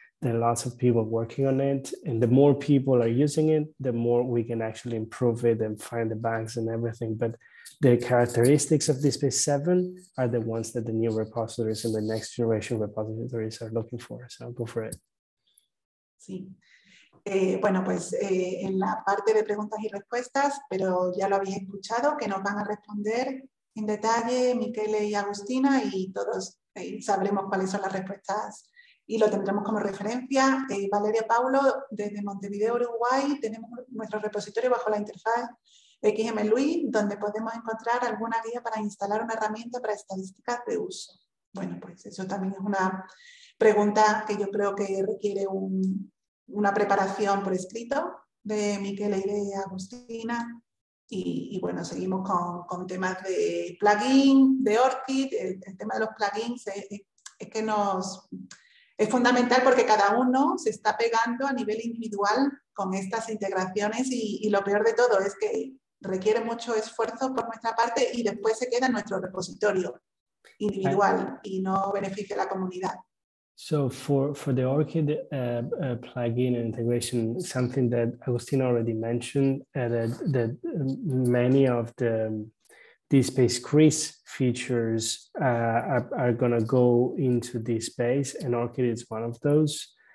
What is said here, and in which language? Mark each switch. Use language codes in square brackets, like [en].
[en] There are lots of people working on it. And the more people are using it, the more we can actually improve it and find the bugs and everything. But the characteristics of DSpace 7 are the ones that the new repositories and the next generation repositories are looking for. So go for it. [es] Sí, bueno, pues en la parte de preguntas y respuestas, pero ya lo habéis escuchado, que nos van a responder en detalle Miquele y Agustina y todos sabremos cuáles son las respuestas y lo tendremos como referencia. Valeria Paulo, desde Montevideo, Uruguay, tenemos nuestro repositorio bajo la interfaz XMLui, donde podemos encontrar alguna guía para instalar una herramienta para estadísticas de uso. Bueno, pues eso también es una pregunta que yo creo que requiere una preparación por escrito de Miquel y de Agustina. Y bueno, seguimos con temas de plugin, de Orchid. El tema de los plugins es que es fundamental porque cada uno se está pegando a nivel individual con estas integraciones. Y lo peor de todo es que requiere mucho esfuerzo por nuestra parte y después se queda en nuestro repositorio individual y no beneficia a la comunidad. [en] So for the Orchid plugin and integration, something that Agustina already mentioned, that many of the DSpace Chris features are going to go into DSpace, and Orchid is one of those.